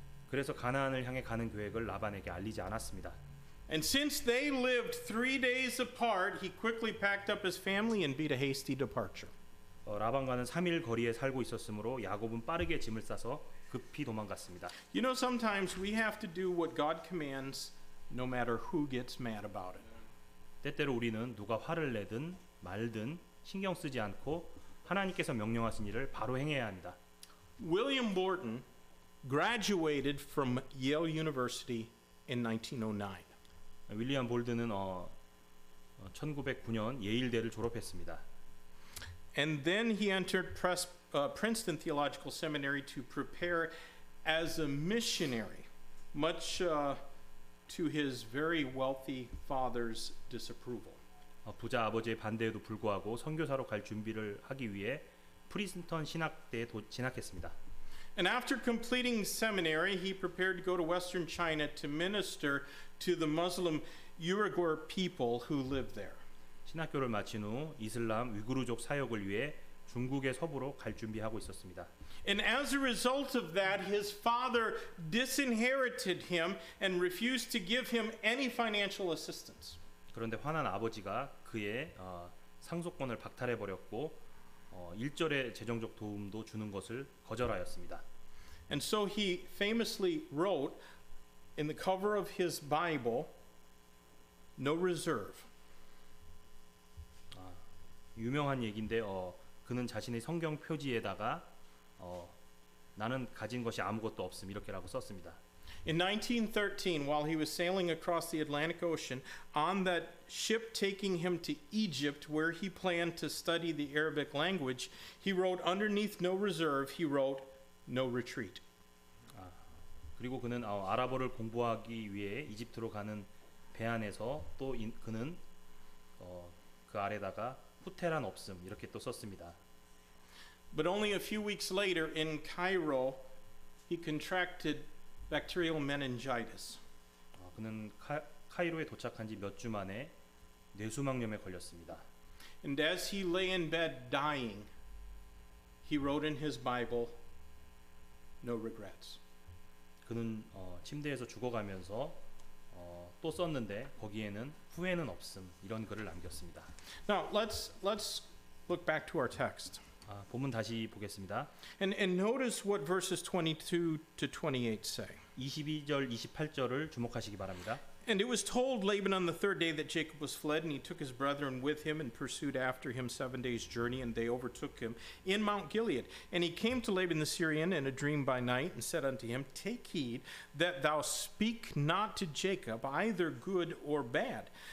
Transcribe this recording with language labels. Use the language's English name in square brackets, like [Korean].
[Korean] 그래서 가나안을 향해 가는 계획을 라반에게 알리지 않았습니다. [English] And since they lived 3 days apart, he quickly packed up his family and beat a hasty departure. [Korean] 라반과는 3일 거리에 살고 있었으므로 야곱은 빠르게 짐을 싸서 급히 도망갔습니다. [English] You know, sometimes we have to do what God commands no matter who gets mad about it. [Korean] 때때로 우리는 누가 화를 내든 말든 신경 쓰지 않고 하나님께서 명령하신 일을 바로 행해야 합니다. [English] William Borton graduated from Yale University in 1909. [Korean] 윌리엄 볼드는 1909년 예일대를 졸업했습니다. [English] And then he entered Princeton Theological Seminary to prepare as a missionary, much to his very wealthy father's disapproval. [Korean] 부자 아버지의 반대에도 불구하고 선교사로 갈 준비를 하기 위해 프린스턴 신학대에 진학했습니다. [English] And after completing seminary, he prepared to go to Western China to minister to the Muslim Uyghur people who lived there. [Korean] 신학교를 마친 후 이슬람 위구르족 사역을 위해 중국의 서부로 갈 준비하고 있었습니다. [English] And as a result of that, his father disinherited him and refused to give him any financial assistance. [Korean] 그런데 화난 아버지가 그의 상속권을 박탈해 버렸고 일절의 재정적 도움도 주는 것을 거절하였습니다. [English] And so he famously wrote in the cover of his Bible, "No reserve." [Korean] 유명한 얘긴데 그는 자신의 성경 표지에다가 나는 가진 것이 아무것도 없음 이렇게라고 썼습니다. [English] In 1913, while he was sailing across the Atlantic Ocean on that ship taking him to Egypt, where he planned to study the Arabic language, he wrote underneath "no reserve." He wrote "no retreat." [Korean] 그리고 그는 아랍어를 공부하기 위해 이집트로 가는 배 안에서 또 그는 그 아래다가 후퇴란 없음 이렇게 또 썼습니다. [English] But only a few weeks later, in Cairo, he contracted bacterial meningitis. [Korean] 그는 카이로에 도착한 지 몇 주 만에 뇌수막염에 걸렸습니다. [English] And as he lay in bed dying, he wrote in his Bible, "No regrets." [Korean] 그는 침대에서 죽어가면서 또 썼는데 거기에는 후회는 없음 이런 글을 남겼습니다. [English] Now let's look back to our text. [Korean] 본문 다시 보겠습니다. [English] And notice what verses 22 to 28 say. [Korean] 22절 28절을 주목하시기 바랍니다. [English] And it was told Laban on the third day that Jacob was fled, and he took his brethren with him and pursued after him 7 days' journey, and they overtook him in Mount Gilead. And he came to Laban the Syrian in a dream by night and said unto him, Take heed that thou speak not to Jacob either good or bad.